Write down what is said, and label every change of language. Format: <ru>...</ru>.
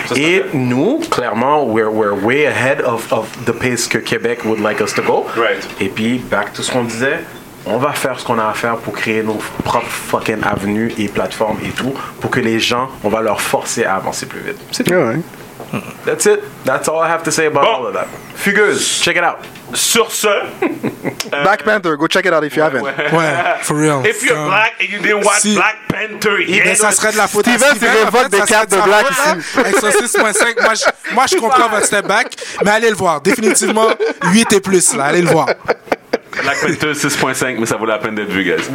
<fr>Et nous, clairement,</fr> <en>we're way ahead of the pace que Québec would like us to go. Right.</en> <fr>Et puis,</fr> <en>back to</en> <fr>ce qu'on disait, on va faire ce qu'on a à faire pour créer nos propres fucking avenues et plateformes et tout, pour que les gens, on va leur forcer à avancer plus vite. C'est tout. Ouais.</fr> <en>That's it. That's all I have to say about all of that. Fugueuse, check it out.</en> <fr>Sur ce,</fr> <en>Black Panther, go check it out if you haven't. Ouais, for real. If you're black and you didn't watch Black Panther,</en> <fr>mais ça serait de la faute. Steven, tu révoques des cartes de black ici. Avec son 6.5, moi je comprends votre step back, mais allez le voir. Définitivement, 8 et plus, là, allez le voir. Black Panther 6.5, mais ça vaut la peine d'être vu, guys.</fr>